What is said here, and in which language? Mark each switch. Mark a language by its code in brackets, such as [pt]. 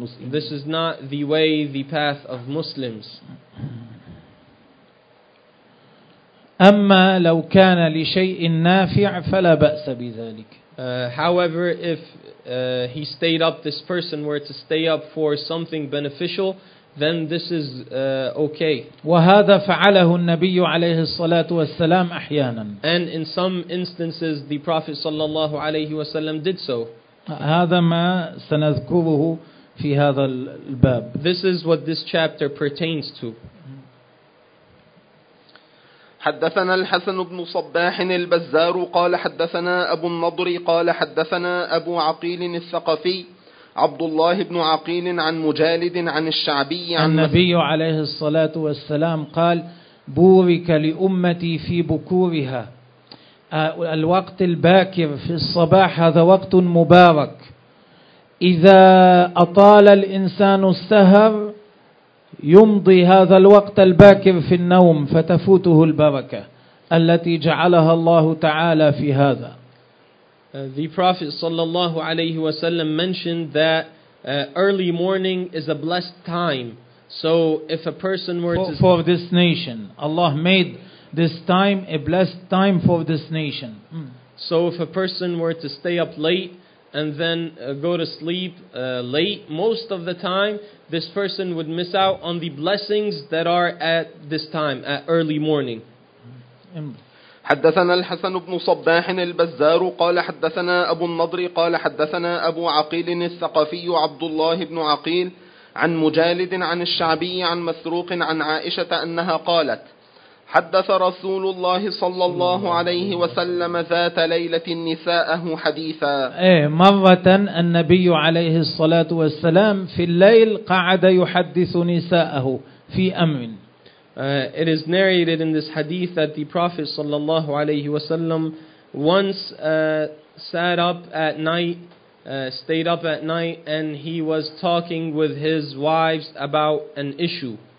[en] This is not the way, the path of Muslims. [ar] أما لو كان لشيء نافع فلا بأس بذلك. [en] However, if he stayed up, this person were to stay up for something beneficial, then this is okay. [ar] وهذا فعله النبي عليه الصلاة والسلام أحيانا. [en] And in some instances, the Prophet [ar] صلى الله عليه وسلم [en] did so. [ar] هذا ما سنذكره في هذا الباب. [en] This is what this chapter pertains to. [ar] حدثنا الحسن بن صباح البزار قال حدثنا أبو النضر قال حدثنا أبو عقيل الثقفي عبد الله بن عقيل عن مجالد عن الشعبي عن النبي عليه الصلاة والسلام قال بورك لأمتي في بكورها. الوقت الباكر في الصباح هذا وقت مبارك. إذا أطال الإنسان السهر يمضي هذا الوقت الباكر في النوم فتفوته البركة التي جعلها الله تعالى في هذا. [en] The Prophet [ar] sallallahu alayhi wa sallam [en] mentioned that early morning is a blessed time. So if a person were to... For this nation. Allah made this time a blessed time for this nation. So if a person were to stay up late and then go to sleep late, most of the time, this person would miss out on the blessings that are at this time, at early morning. [ar] حدثنا الحسن بن صباح البزار قال حدثنا أبو النضر قال حدثنا أبو عقيل الثقفي عبد الله بن عقيل عن مجالد عن الشعبي عن مسروق عن عائشة أنها قالت حدث رسول الله صلى الله عليه وسلم ذات ليلة نساءه حديثا. مرة النبي عليه الصلاة والسلام في الليل قعد يحدث نساءه في أمر. [en] It is narrated in this hadith that the Prophet [ar] sallallahu alayhi wa sallam [en] once sat up at night, stayed up at night, and he was talking with his wives about an issue.